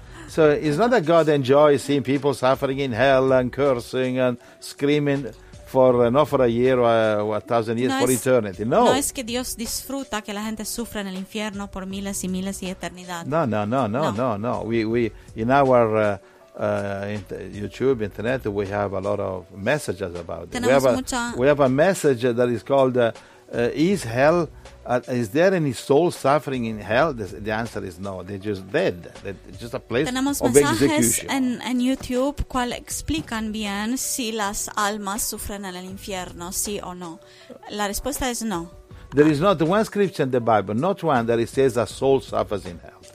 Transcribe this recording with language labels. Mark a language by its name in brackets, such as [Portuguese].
[English] So it's not that God enjoys seeing people suffering in hell and cursing and screaming for a year or a thousand years, for eternity. [Spanish] No. No es que Dios disfruta que la gente sufra en el infierno por miles y miles y eternidad. No. [English] We in our YouTube, internet, we have a lot of messages about it. We have a message that is called is hell, is there any soul suffering in hell? The answer is no. They're just dead. They're just a place [Spanish] tenemos [English] of [Spanish] mensajes [English] execution. [Spanish] En YouTube, cual explican bien si las almas sufren en el infierno, sí o no. La respuesta es no. [English] There is not one scripture in the Bible, not one, that it says a soul suffers in hell.